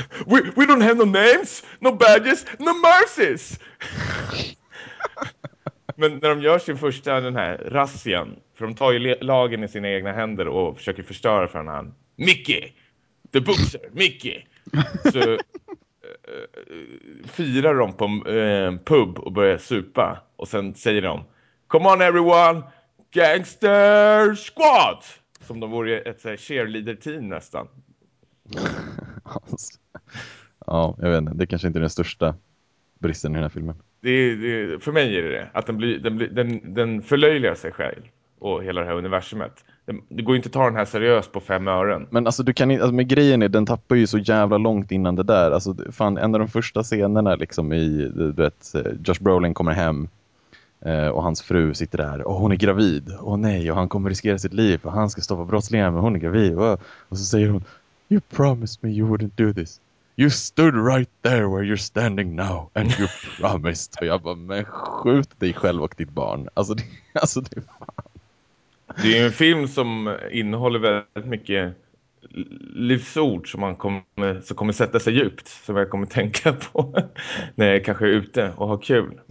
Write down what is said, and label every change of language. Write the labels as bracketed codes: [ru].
[en] We don't have no names, no badges, no mercies! [sv] Men när de gör sin första, den här razzian, för de tar ju lagen i sina egna händer och försöker förstöra för honom. Mickey! The Boxer! Mickey! Så firar de på pub och börjar supa. Och sen säger de, [en] come on everyone! [sv] Gangster Squad! Som de vore ett så här cheerleader-team nästan. Ja, jag vet inte. Det kanske inte är den största bristen i den här filmen. För mig är det att den förlöjligar sig själv och hela det här universumet. Det går ju inte att ta den här seriöst på 5 ören. Men alltså, med grejen är, den tappar ju så jävla långt innan det där. Alltså, fan, en av de första scenerna liksom i, du vet, Josh Brolin kommer hem och hans fru sitter där och hon är gravid. Och nej, och han kommer riskera sitt liv och han ska stoppa brottslingar, men hon är gravid. Och så säger hon, [en] you promised me you wouldn't do this. You stood right there where you're standing now and you promised. [sv] Och jag bara, men skjut dig själv och ditt barn. Alltså det är fan. Det är en film som innehåller väldigt mycket livsord som kommer sätta sig djupt. Som jag kommer tänka på när jag kanske är ute och har kul.